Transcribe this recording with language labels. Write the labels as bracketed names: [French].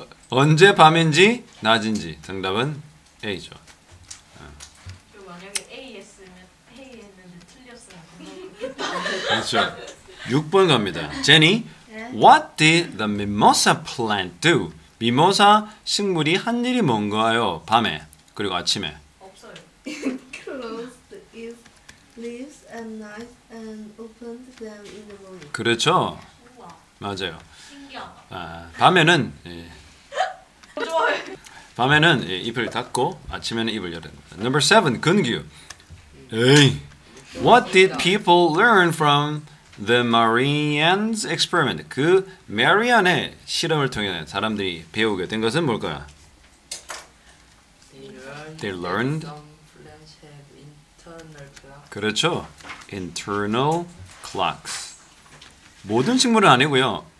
[Korean] 언제 밤인지 낮인지 정답은 A죠. 만약에 A였으면 A는 틀렸어요. 그렇죠. 6번 갑니다. [English] Jenny, 네? what did the mimosa plant do? [Korean] 미모사 식물이 한 일이 뭔가요? 밤에 그리고 아침에. [English] It closed its leaves at night and opened them in the morning. [Korean] 그렇죠. 맞아요. 아, 밤에는 예. 밤에는 잎을 닫고 아침에는 잎을 열었다. [English] Number 7, 근규. 에이. What did people learn from the Marian's experiment? [Korean] 그 마리안의 실험을 통해 사람들이 배우게 된 것은 뭘까요? [English] They learned. Internal clocks. [Korean] 그렇죠. [English] Internal clocks. [Korean] 모든 식물은 아니고요.